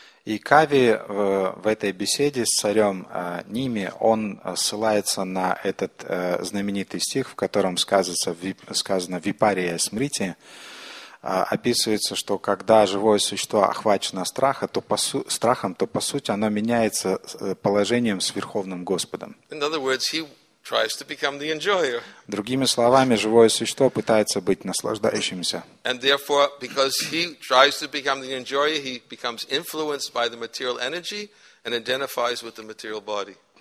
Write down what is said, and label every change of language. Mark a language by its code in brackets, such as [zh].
[ru] И Кави в этой беседе с царем Ними, он ссылается на этот знаменитый стих, в котором сказано «Випария смрити», описывается, что когда живое существо охвачено страхом, то по сути оно меняется положением с Верховным Господом. [en] In other words, he tries to become the enjoyer. [ru] Другими словами, живое существо пытается быть наслаждающимся. [en] And therefore, because he tries to become the enjoyer, he becomes influenced by the material energy and identifies with the material body.